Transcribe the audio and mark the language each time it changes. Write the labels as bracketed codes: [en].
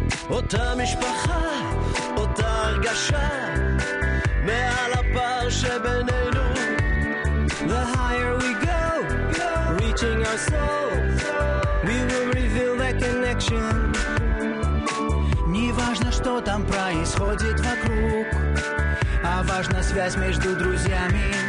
[he] אותה משפחה, אותה הרגשה, מעל הפער שבינינו. [en] The higher we go, reaching our soul, we will reveal that connection. [ru] Неважно, что там происходит вокруг, а важна связь между друзьями.